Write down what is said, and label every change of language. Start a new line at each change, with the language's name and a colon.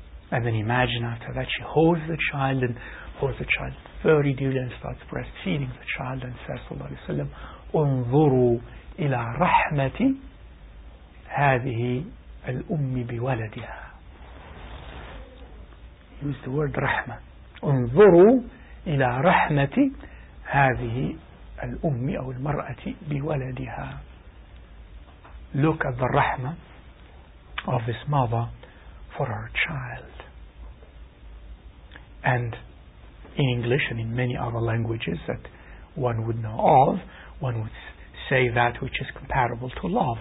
English: And then imagine after that she holds the child and holds the child very dearly and starts breastfeeding the child and says, sallallahu alayhi wa sallam,
Arabic: انظروا إلى رحمة هذه الأم بولدها.
English: Use the word رحمة.
Arabic: انظروا إلى رحمة هذه الأم أو المرأة بولدها.
English: Look at the رحمة of this mother for her child. And in English and in many other languages that one would know of, one would say that which is comparable to love.